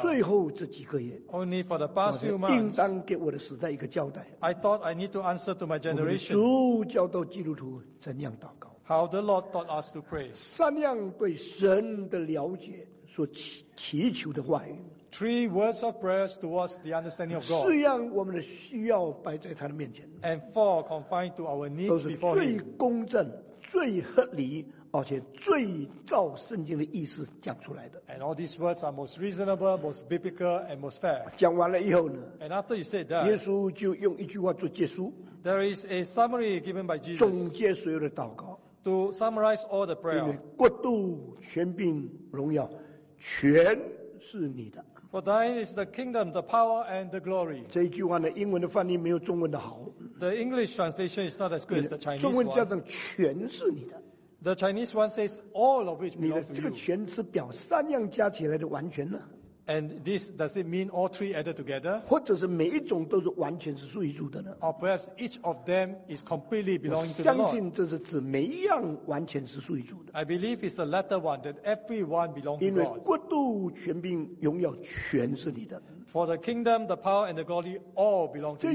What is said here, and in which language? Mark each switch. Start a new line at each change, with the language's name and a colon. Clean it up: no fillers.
Chinese: 最后这几个月
English: ，Only for the past few months.
Chinese: 应当给我的时代一个交代。
English: I thought I need to answer to my generation.
Chinese: 主教导基督徒怎样祷告
English: ？How the Lord taught us to pray.
Chinese: 三样对神的了解所祈求的话语。
English: Three words of prayers towards the understanding of God.
Chinese: 四样我们的需要摆在他的面前。
English: And four confined to our needs before him.
Chinese: 都是最公正、最合理，而且最照圣经的意思讲出来的。
English: And all these words are most reasonable, most biblical, and most fair.
Chinese: 讲完了以后呢
English: ？And after you said that,
Chinese: 耶稣就用一句话做结束。
English: There is a summary given by Jesus.
Chinese: 总结所有的祷告。
English: To summarize all the prayer.
Chinese: 因为国度、权柄、荣耀，全是你的。
English: For thine is the kingdom, the power, and the glory.
Chinese: 这一句话呢，英文的翻译没有中文的好。
English: The English translation is not as good as the Chinese one.
Chinese: 中文叫做全是你的。
English: The Chinese one says all of which belong to you.
Chinese: 你的这个全是表三样加起来的完全呢？
English: And this, does it mean all three added together?
Chinese: 或者是每一种都是完全是属于主的呢？
English: Or perhaps each of them is completely belonging to the Lord.
Chinese: 相信这是指每一样完全是属于主的。
English: I believe it's the latter one, that everyone belongs to God.
Chinese: 因为国度、权柄、荣耀全是你的。
English: For the kingdom, the power, and the glory all belong to you.